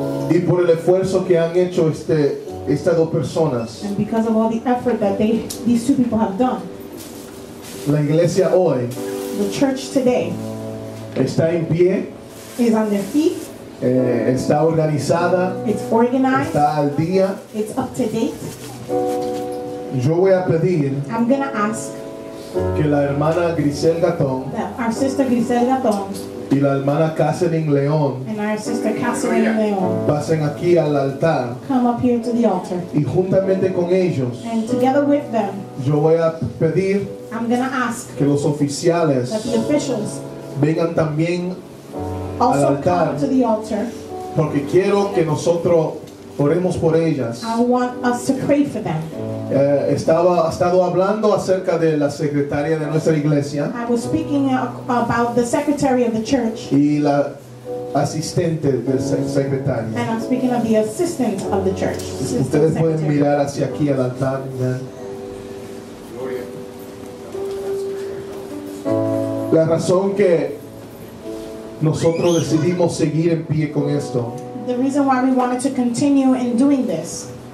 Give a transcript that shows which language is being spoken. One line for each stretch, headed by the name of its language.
Spanish: Y por el esfuerzo que han hecho estas dos personas.
English: And because of all the effort that these two people have done.
Spanish: La iglesia hoy.
English: The church today
Spanish: está en pie,
English: is on their feet,
Spanish: está organizada,
English: it's organized,
Spanish: está al día,
English: it's up to date.
Spanish: Yo voy a pedir,
English: I'm going to ask
Spanish: que la hermana Grisel Gatón,
English: our sister Grisel Gatón,
Spanish: y la hermana Catherine León,
English: and our sister Catherine León,
Spanish: pasen aquí al altar,
English: come up here to the altar,
Spanish: y juntamente con ellos,
English: and together with them,
Spanish: yo voy a pedir,
English: I'm gonna ask
Spanish: que los oficiales,
English: that the officials,
Spanish: vengan también
English: also
Spanish: al altar,
English: come to the altar,
Spanish: porque quiero que nosotros oremos por ellas.
English: I want us to pray for them.
Spanish: Estado hablando acerca de la secretaria de nuestra iglesia.
English: I was speaking about the secretary of the church.
Spanish: Y la asistente del secretario.
English: And I'm speaking of the assistant of the church.
Spanish: Ustedes pueden mirar hacia aquí al altar. La razón que nosotros decidimos seguir en pie con esto.
English: The reason why we wanted to continue in doing this.